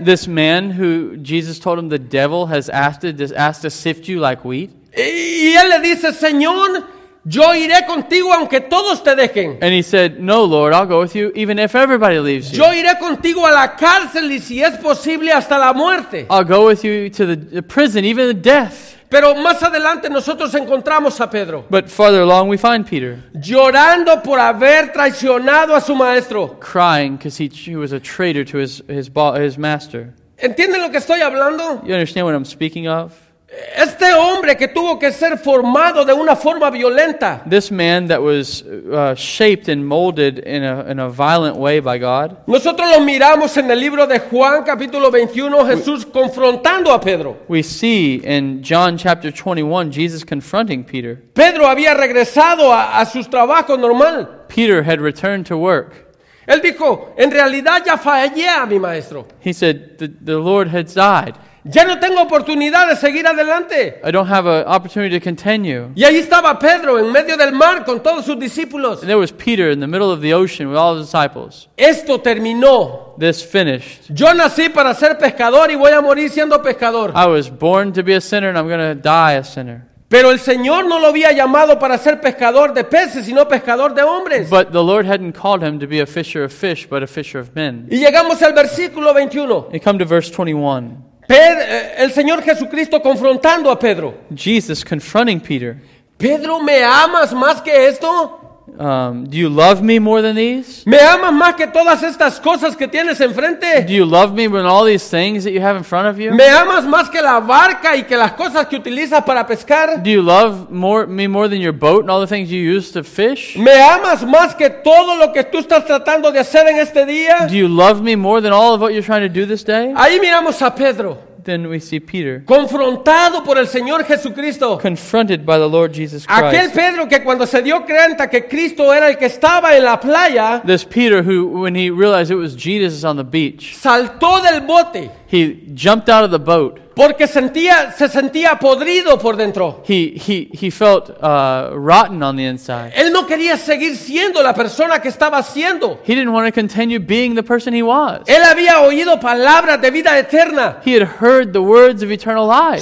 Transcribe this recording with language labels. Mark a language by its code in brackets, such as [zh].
[en] This man who Jesus told him the devil has asked to sift you like wheat. [es] Y él le dice, Señor, Yo iré contigo aunque todos te dejen. [en] And he said, no, Lord, I'll go with you even if everybody leaves you. [es] Yo iré contigo a la cárcel y si es posible hasta la muerte. [en] I'll go with you to the prison, even the death. [es] Pero más adelante nosotros encontramos a Pedro. [en] But farther along we find Peter. [es] Llorando por haber traicionado a su maestro. [en] Crying because he was a traitor to his master. [es] ¿Entienden lo que estoy hablando? [en] You understand what I'm speaking of? [es] Este hombre que tuvo que ser formado de una forma violenta. [en] This man that was shaped and molded in a violent way by God. [es] Nosotros lo miramos en el libro de Juan capítulo 21, Jesús confrontando a Pedro. [en] We see in John chapter 21, Jesus confronting Peter. [es] Pedro había regresado a su trabajo normal. [en] Peter had returned to work. [es] Él dijo, en realidad ya fallé a mi maestro. [en] He said, the Lord had died. [es] Ya no tengo oportunidad de seguir adelante. [en] I don't have an opportunity to continue. [es] Y ahí estaba Pedro en medio del mar con todos sus discípulos. [en] And there was Peter in the middle of the ocean with all his disciples. [es] Esto terminó. [en] This finished. [es] Yo nací para ser pescador y voy a morir siendo pescador. [en] I was born to be a sinner and I'm going to die a sinner. [es] Pero el Señor no lo había llamado para ser pescador de peces, sino pescador de hombres. [en] But the Lord hadn't called him to be a fisher of fish, but a fisher of men. [es] Y llegamos al versículo 21. [en] We come to verse 21. [es] El Señor Jesucristo confrontando a Pedro. [en] Jesus confronting Peter. [es] Pedro, ¿me amas más que esto? [en] Do you love me more than these? [es] ¿Me amas más que todas estas cosas que tienes enfrente? [en] Do you love me more than all these things that you have in front of you? [es] ¿Me amas más que la barca y que las cosas que utilizas para pescar? [en] Do you love me more than your boat and all the things you use to fish? [es] ¿Me amas más que todo lo que tú estás tratando de hacer en este día? [en] Do you love me more than all of what you're trying to do this day? [es] Ahí miramos a Pedro. [en] Then we see Peter, [es] confrontado por el Señor Jesucristo, [en] confronted by the Lord Jesus Christ. [es] Aquel Pedro que cuando se dio cuenta que Cristo era el que estaba en la playa, [en] this Peter who, when he realized it was Jesus on the beach, [es] saltó del bote. [en] He jumped out of the boat. [es] Porque se sentía podrido por dentro. [en] He felt rotten on the inside. [es] Él no quería seguir siendo la persona que estaba siendo. [en] He didn't want to continue being the person he was. [es] Él había oído palabras de vida eterna. [en] He had heard the words of eternal life.